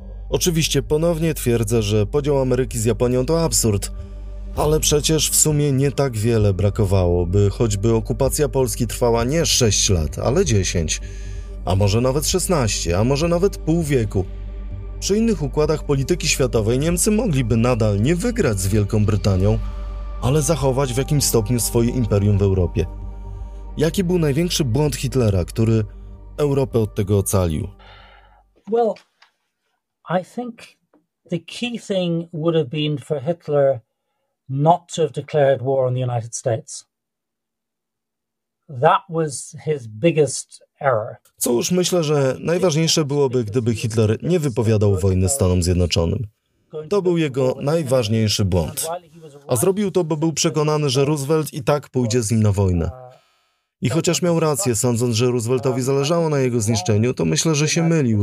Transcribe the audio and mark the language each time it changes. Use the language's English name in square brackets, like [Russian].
[Polish] Oczywiście ponownie twierdzę, że podział Ameryki z Japonią to absurd, ale przecież w sumie nie tak wiele brakowało, by choćby okupacja Polski trwała nie 6 lat, ale 10, a może nawet 16, a może nawet pół wieku. Przy innych układach polityki światowej Niemcy mogliby nadal nie wygrać z Wielką Brytanią, ale zachować w jakimś stopniu swoje imperium w Europie. Jaki był największy błąd Hitlera, który Europę od tego ocalił? [English] Well, I think the key thing would have been for Hitler not to have declared war on the United States. That was his biggest error. [Polish] Cóż, myślę, że najważniejsze byłoby, gdyby Hitler nie wypowiadał wojny Stanom Zjednoczonym. To był jego najważniejszy błąd. A zrobił to, bo był przekonany, że Roosevelt i tak pójdzie z nim na wojnę. I chociaż miał rację, sądząc, że Rooseveltowi zależało na jego zniszczeniu, to myślę, że się mylił.